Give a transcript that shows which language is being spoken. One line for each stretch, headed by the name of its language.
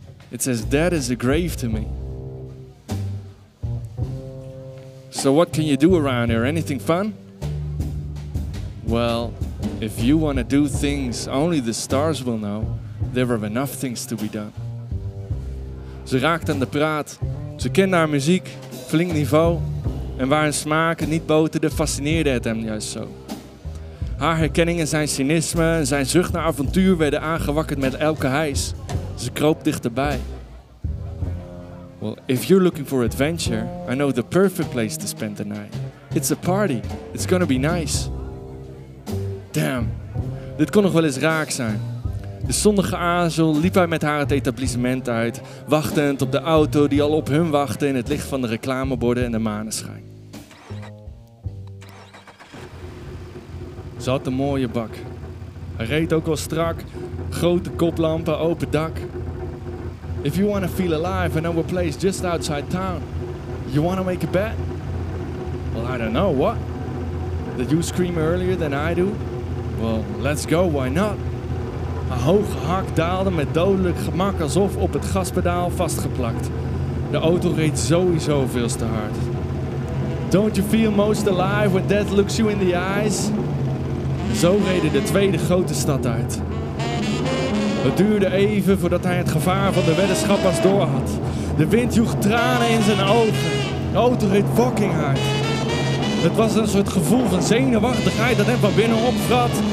English: It's as dead as a grave to me. So what can you do around here? Anything fun? Well, if you want to do things only the stars will know, there are enough things to be done.
Dutch: Ze raakt aan de praat. Ze kent haar muziek, flink niveau. En waar hun smaken niet boterden, fascineerde het hem juist zo. Haar herkenning en zijn cynisme en zijn zucht naar avontuur werden aangewakkerd met elke hijs. Ze kroop dichterbij.
English: Well, if you're looking for adventure, I know the perfect place to spend the night. It's a party. It's gonna be nice.
Dutch: Damn, dit kon nog wel eens raak zijn. De zonnige aarzel liep hij met haar het etablissement uit, wachtend op de auto die al op hun wachtte in het licht van de reclameborden en de maneschijn. Ze had een mooie bak. Hij reed ook al strak. Grote koplampen, open dak.
English: If you want to feel alive, I know a place just outside town. You want to make a bet? Well, I don't know. What? Did you scream earlier than I do? Well, let's go. Why not?
Dutch: Een hoge hak daalde met dodelijk gemak alsof op het gaspedaal vastgeplakt. De auto reed sowieso veel te hard.
English: Don't you feel most alive when death looks you in the eyes?
Dutch: Zo reden de tweede grote stad uit. Het duurde even voordat hij het gevaar van de weddenschap pas door had. De wind joeg tranen in zijn ogen. De auto reed fucking hard. Het was een soort gevoel van zenuwachtigheid dat hem van binnen opvrat.